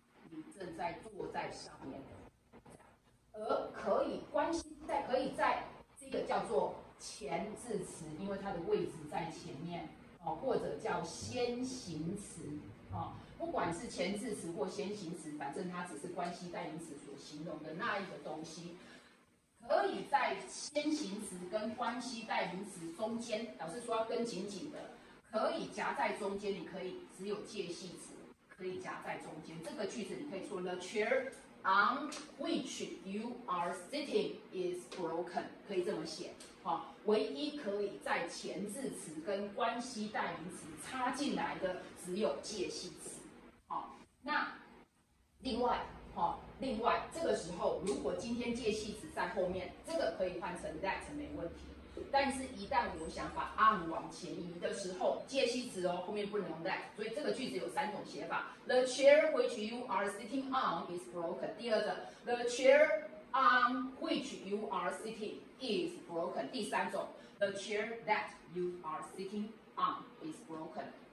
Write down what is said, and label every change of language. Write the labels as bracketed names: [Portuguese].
[Chinese] 你正在坐在上面的，而可以关系在可以在这个叫做前置词，因为它的位置在前面，或者叫先行词、哦、不管是前置词或先行词，反正它只是关系代名词所形容的那一个东西，可以在先行词跟关系代名词中间，老师说要跟紧紧的，可以夹在中间，你可以只有介系词可以夹在中间。这个句子你可以说 [English] The chair on which you are sitting is broken， [Chinese] 可以这么写。好，唯一可以在前置词跟关系代名词插进来的只有介系词。好，那另外，好，另外这个时候如果今天介系词在后面，这个可以换成 that 没问题。但是一旦我想把 on 往前移的时候，介系词哦，后面不能用 that， 所以这个句子有三种写法。 [English] The chair which you are sitting on is broken。 [Chinese] 第二个， [English] The chair on which you are sitting is broken。 [Chinese] 第三种， [English] The chair that you are sitting on is broken。